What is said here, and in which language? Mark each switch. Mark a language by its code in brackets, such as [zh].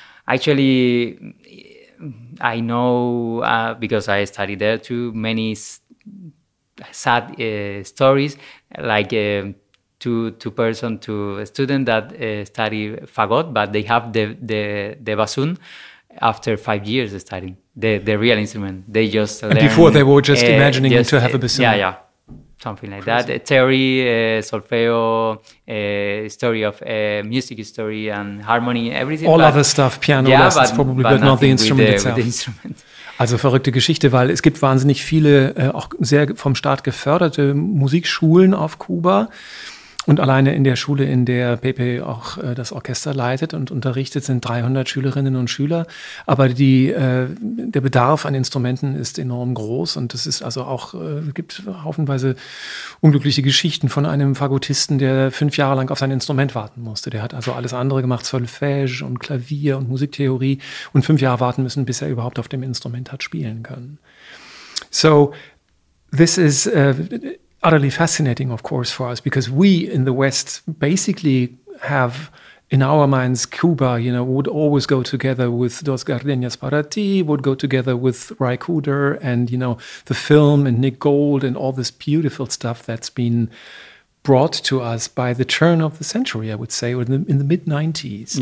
[en] Actually, I know, because I studied there too, many sad stories, like two students that study fagot, but they have the bassoon after 5 years of studying. The real instrument. They just and before they were just imagining just, to have a bassoon. Yeah, something like crazy. That. Theory, solfeo, story of music history and harmony, everything. All but, other stuff, piano lessons probably, but not the instrument itself. With the instrument. [de] Also verrückte Geschichte, weil es gibt wahnsinnig viele auch sehr vom Staat geförderte Musikschulen auf Kuba. Und alleine in der Schule, in der Pepe auch das Orchester leitet und unterrichtet, sind 300 Schülerinnen und Schüler. Aber der Bedarf an Instrumenten ist enorm groß. Und es ist also auch, gibt haufenweise unglückliche Geschichten von einem Fagottisten, der 5 Jahre lang auf sein Instrument warten musste. Der hat also alles andere gemacht, Solfège und Klavier und Musiktheorie, und 5 Jahre warten müssen, bis er überhaupt auf dem Instrument hat spielen können. [en] So, this is utterly fascinating, of course, for us, because we in the West basically have in our minds Cuba, you know, would always go together with Dos Gardenias para Ti, would go together with Ry Cooder and, you know, the film and Nick Gold and all this beautiful stuff that's been brought to us by the turn of the century, I would say, or in the mid-90s.